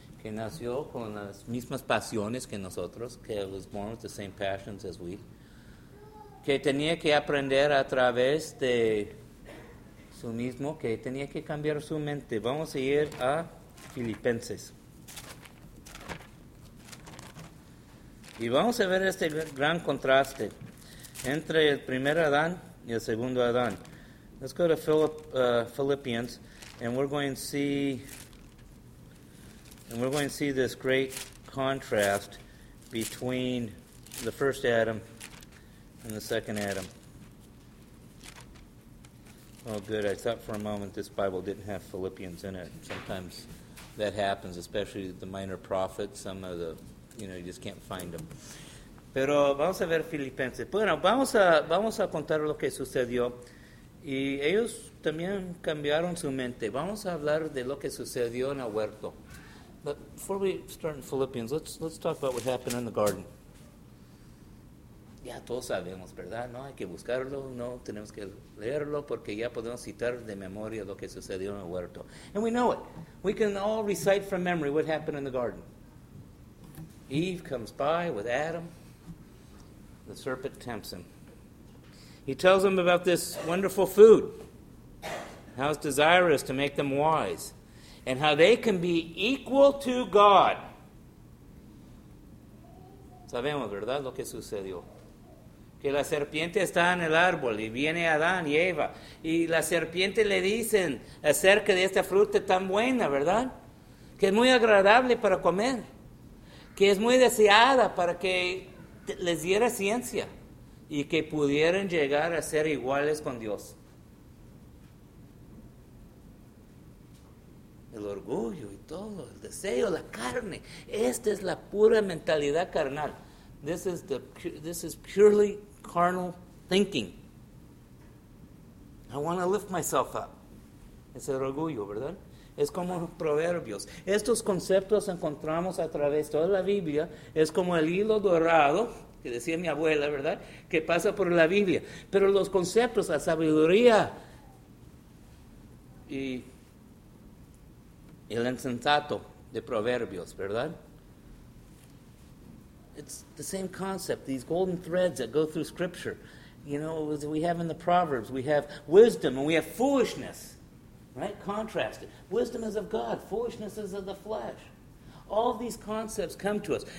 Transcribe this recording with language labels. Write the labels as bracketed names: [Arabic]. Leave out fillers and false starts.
[Spanish] Que nació con las mismas pasiones que nosotros, que [English] was born with the same passions as we, [Spanish] que tenía que aprender a través de su mismo, que tenía que cambiar su mente. Vamos a ir a Filipenses. Y vamos a ver este gran contraste entre el primer Adán y el segundo Adán. [English] Let's go to Philippians, and we're going to see this great contrast between the first Adam and the second Adam. Oh, good. I thought for a moment this Bible didn't have Philippians in it. Sometimes that happens, especially the minor prophets. Some of the, you know, you just can't find them. [Spanish] Pero vamos a ver Filipenses. Bueno, vamos a contar lo que sucedió. Y ellos también cambiaron su mente. Vamos a hablar de lo que sucedió en el huerto. [English] But before we start in Philippians, let's talk about what happened in the garden. [Spanish] Ya todos sabemos, ¿verdad? No hay que buscarlo, no tenemos que leerlo, porque ya podemos citar de memoria lo que sucedió en el huerto. [English] And we know it. We can all recite from memory what happened in the garden. Eve comes by with Adam. The serpent tempts him. He tells them about this wonderful food, how it's desirous to make them wise, and how they can be equal to God. [Spanish] Sabemos, ¿verdad?, lo que sucedió. Que la serpiente está en el árbol, y viene Adán y Eva, y la serpiente le dicen acerca de esta fruta tan buena, ¿verdad?, que es muy agradable para comer, que es muy deseada para que les diera ciencia. Y que pudieran llegar a ser iguales con Dios. El orgullo y todo, el deseo, la carne. Esta es la pura mentalidad carnal. [English] This is purely carnal thinking. I want to lift myself up. [Spanish] Es el orgullo, ¿verdad? Es como Proverbios. Estos conceptos encontramos a través de toda la Biblia. Es como el hilo dorado, que decía mi abuela, ¿verdad?, que pasa por la Biblia. Pero los conceptos, la sabiduría y el insensato de Proverbios, ¿verdad? [English] It's the same concept, these golden threads that go through Scripture. You know, as we have in the Proverbs, we have wisdom and we have foolishness, right? Contrasted. Wisdom is of God, foolishness is of the flesh. All these concepts come to us.